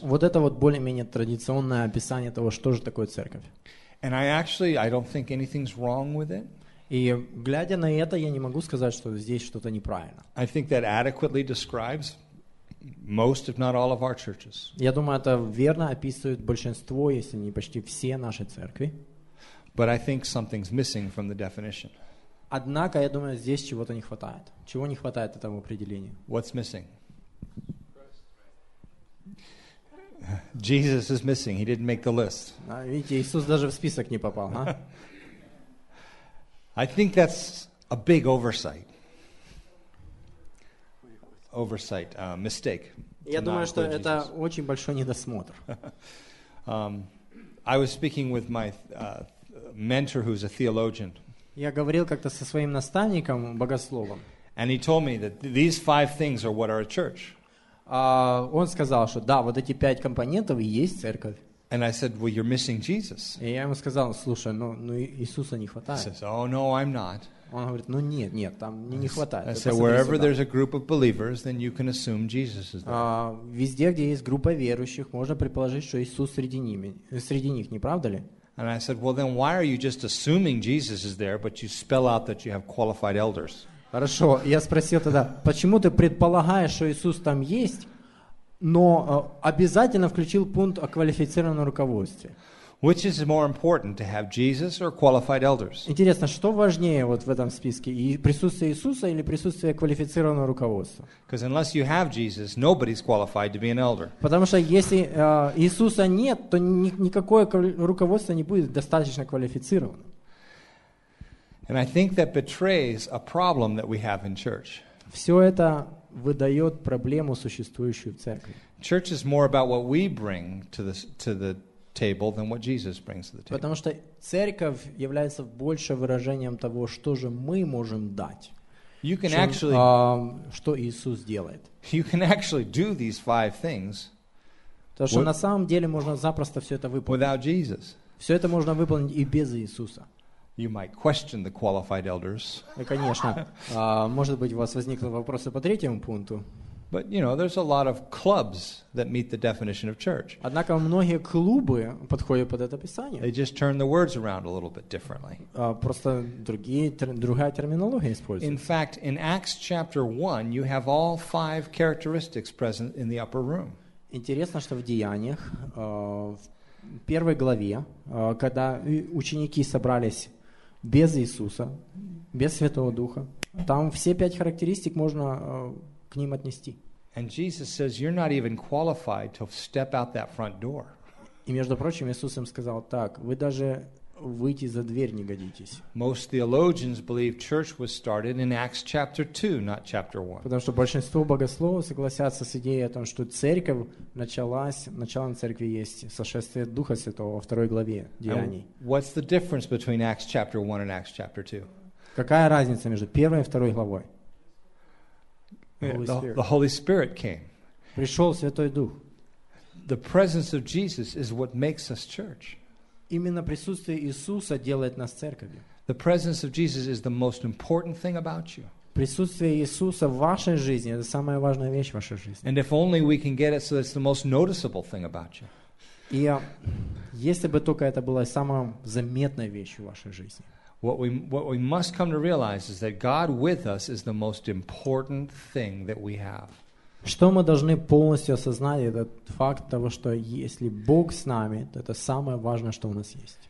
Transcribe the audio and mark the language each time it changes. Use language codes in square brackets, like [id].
[ru] Вот это вот более-менее традиционное описание того, что же такое церковь. [en] And I don't think anything's wrong with it. [ru] И глядя на это, я не могу сказать, что здесь что-то неправильно. [en] I think that adequately describes most, if not all, of our churches. [ru] Я думаю, это верно описывает большинство, если не почти все наши церкви. [en] But I think something's missing from the definition. [ru] Однако, я думаю, здесь чего-то не хватает. Чего не хватает этому определению? [en] What's missing? Jesus is missing. He didn't make the list. [ru] Видите, Иисус даже в список не попал, а? [en] I think that's a big oversight. Oversight, mistake. [ru] Я думаю, что это очень большой недосмотр. [en] I was speaking with my mentor, who's a theologian. [ru] Я говорил как-то со своим наставником, богословом. [en] And he told me that these five things are what are a church. [ru] Он сказал, что да, вот эти пять компонентов и есть церковь. [en] And I said, well, you're missing Jesus. [ru] И я ему сказал, слушай, ну Иисуса не хватает. [en] He says, oh, no, I'm not. [ru] Он говорит, ну нет, нет, там не хватает. [en] I said, wherever there's a group of believers, then you can assume Jesus is there. [ru] Везде, где есть группа верующих, можно предположить, что Иисус среди них, не правда ли? [en] And I said, well, then why are you just assuming Jesus is there, but you spell out that you have qualified elders? [ru] Хорошо, я спросил тогда, почему ты предполагаешь, что Иисус там есть? Но обязательно включил пункт о квалифицированном руководстве. [en] Which is more important, to have Jesus or qualified elders? [ru] Интересно, что важнее вот в этом списке, присутствие Иисуса или присутствие квалифицированного руководства? [en] Because unless you have Jesus, nobody's qualified to be an elder. [ru] Потому что если Иисуса нет, то никакое руководство не будет достаточно квалифицированным. [en] And I think that betrays a problem that we have in church. [ru] Все это выдает проблему, существующую в церкви. [en] Church is more about what we bring to the table than what Jesus brings to the table. [ru] Потому что церковь является больше выражением того, что же мы можем дать, [en] you can [ru] чем, [en] actually, [ru] что Иисус делает. [en] You can actually do these five things. [ru] Потому что на самом деле можно запросто все это выполнить. [en] Without Jesus. [ru] Все это можно выполнить и без Иисуса. [en] You might question the qualified elders. [ru] Конечно. Может быть, у вас возникли вопросы по третьему пункту. [en] But you know, there's a lot of clubs that meet the definition of church. [ru] Однако многие клубы подходят под это описание. [en] They just turn the words around a little bit differently. [ru] Просто другая терминология используется. [en] In fact, in Acts chapter 1, you have all five characteristics present in the upper room. [ru] Интересно, что в Деяниях в первой главе, когда ученики собрались без Иисуса, без Святого Духа, там все пять характеристик можно к ним отнести. [en] And Jesus says, you're not even qualified to step out that front door. [ru] И между прочим, Иисус им сказал так, вы даже выйти за дверь не годитесь. [en] Most theologians believe church was started in Acts chapter 2, not chapter 1. [ru] Потому что большинство богословов согласятся с идеей о том, что церковь началась, начало церкви есть сошествие Духа Святого во второй главе Деяний. [en] What's the difference between Acts chapter 1 and Acts chapter 2? [ru] Какая разница между первой и второй главой? [en] The Holy Spirit came. [ru] Пришёл Святой Дух. [en] The presence of Jesus is what makes us church. [ru] Именно присутствие Иисуса делает нас церковью. [en] The presence of Jesus is the most important thing about you. [ru] Присутствие Иисуса в вашей жизни это самая важная вещь в вашей жизни. [en] And if only we can get it so that it's the most noticeable thing about you. [ru] И если бы только это было самой заметной вещью в вашей жизни. [en] What we must come to realize is that God with us is the most important thing that we have. [ru] Что мы должны полностью осознать, это факт того, что если Бог с нами, то это самое важное, что у нас есть.